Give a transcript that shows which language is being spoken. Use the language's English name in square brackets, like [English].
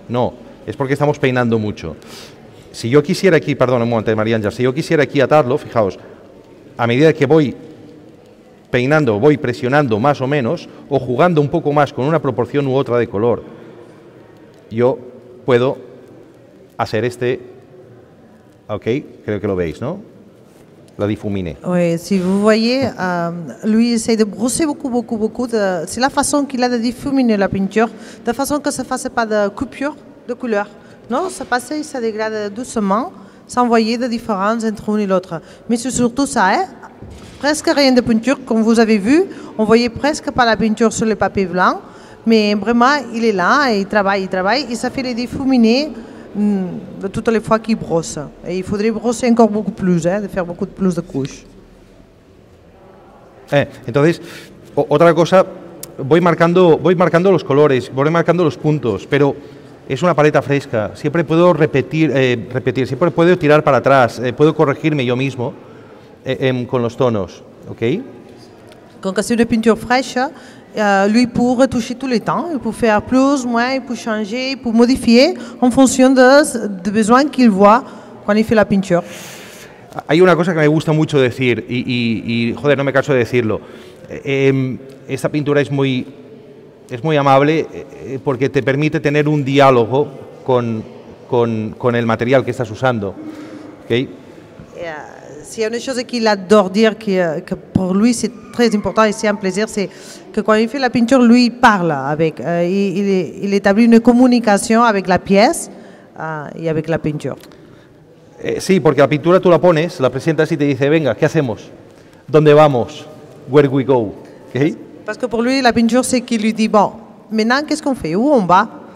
[Spanish] No, es porque estamos peinando mucho. Si yo quisiera aquí, perdón un momento, María Ángel, si yo quisiera aquí atarlo, fijaos, a medida que voy peinando, voy presionando más o menos, o jugando un poco más con una proporción u otra de color, yo puedo hacer este... Ok, creo que lo veis, ¿no? La difumine. [French] Oui, si vous voyez, lui essaye de brosser beaucoup, beaucoup, beaucoup. C'est la façon qu'il a de difuminer la peinture, de façon que ça ne fasse pas de coupure de couleur. Non, ça passe et ça dégrade doucement, sans voir de différence entre l'une et l'autre. Mais c'est surtout ça, hein? Presque rien de peinture, comme vous avez vu. On ne voyait presque pas la peinture sur le papier blanc. Mais vraiment, il est là, il travaille, et ça fait les difuminer. De toutes les fois qu'il brosse. Et il faudrait brosser encore beaucoup plus, de faire beaucoup plus de couches. [Spanish] Entonces, otra cosa, voy marcando los colores, voy marcando los puntos, pero es una paleta fresca. Siempre puedo repetir, siempre puedo tirar para atrás, puedo corregirme yo mismo con los tonos, ¿ok? Con que sea una pintura fresca, [French] lui pour retoucher tous les temps, pour faire plus, moins, pour changer, pour modifier en fonction de besoins qu'il voit quand il fait la peinture. [Spanish] Hay una cosa que me gusta mucho decir y joder, no me canso de decirlo. Esta pintura es muy amable porque te permite tener un diálogo con el material que estás usando. ¿Okay? Si hay una cosa que él adora decir, que para él es muy importante y es un placer, es que cuando hace la pintura, él habla, él establece una comunicación con la pieza y con la pintura. Sí, porque la pintura tú la pones, la presentas y te dice, venga, ¿qué hacemos? ¿Dónde vamos? [English] Where we go. [Spanish] ¿Okay? [French] Parce que pour lui, la peinture, c'est qu'il lui dit, bon, maintenant, qu'est-ce qu'on fait? Où on va?